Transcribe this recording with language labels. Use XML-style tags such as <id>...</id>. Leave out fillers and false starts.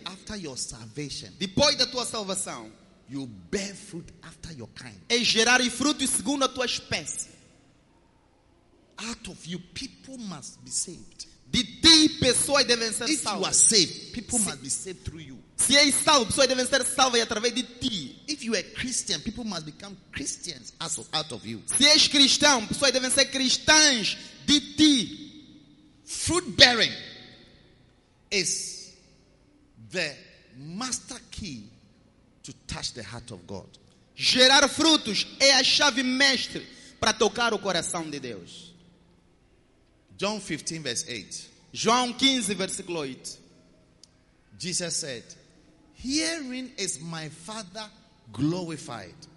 <en>After your salvation.</en> <pt>Depois da tua salvação.</pt> <en>You bear fruit after your kind.</en> <pt>É gerar frutos segundo a tua espécie.</pt> <en>Out of you people must be saved.</en> <pt>De ti pessoas devem ser salvas.</pt> <en>If you are saved, people must be saved through you.</en> <pt>Se és salvo, pessoas devem ser salvas através de ti.</pt> <en>If you are Christian, people must become Christians as of, out of you.</en> <pt>Se és cristão, pessoas devem ser cristãs de ti.</pt> <en>Fruit bearing is the master key to touch the heart of God.</en> <pt>Gerar frutos é a chave mestre para tocar o coração de Deus.</pt> <en>John 15, verse 8.</en> <pt>João 15, versículo 8.</pt> <en>Jesus said, herein is my Father glorified.</en>